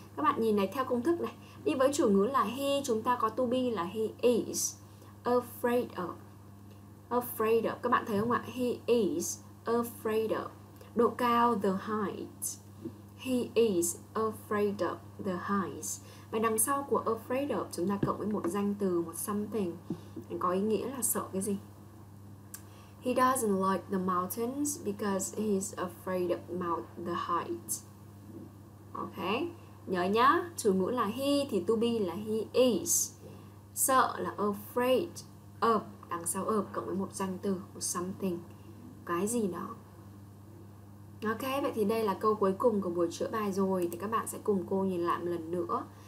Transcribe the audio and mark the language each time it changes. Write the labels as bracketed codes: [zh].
[vi] Các bạn nhìn này theo công thức này. Đi với chủ ngữ là he, chúng ta có to be là he is. Afraid of. [en] Afraid of. [vi] Các bạn thấy không ạ? [en] He is afraid of. Độ cao, the height. He is afraid of the height. [vi] Và đằng sau của afraid of chúng ta cộng với một danh từ, một something. Có ý nghĩa là sợ cái gì? [en] He doesn't like the mountains because he's afraid of the height. [vi] Ok, nhớ nhá, chủ ngữ là he thì to be là he is. Sợ là afraid of, đằng sau of cộng với một danh từ, một something, cái gì đó. Ok, vậy thì đây là câu cuối cùng của buổi chữa bài rồi. Thì các bạn sẽ cùng cô nhìn lại một lần nữa.